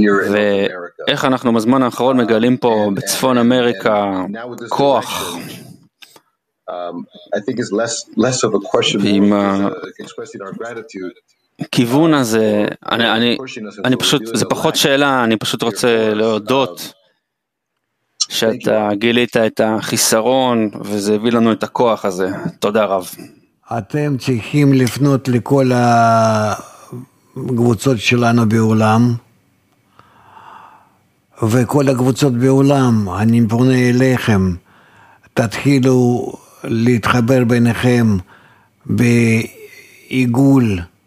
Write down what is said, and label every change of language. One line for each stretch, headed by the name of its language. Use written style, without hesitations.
Hebrew: ואיך אנחנו בזמן האחרון מגלים פה בצפון אמריקה כוח.
English: I think it's less of a question of expressing our gratitude.
Hebrew: כיוון הזה, אני פשוט, זה פחות שאלה, אני פשוט רוצה להודות שאתה גילית את החיסרון וזה הביא לנו את הכוח הזה. תודה רב. אתם צריכים לפנות לכל הקבוצות שלנו בעולם, וכל הקבוצות בעולם, אני פונה אליכם, תתחילו להתחבר ביניכם בעיגול,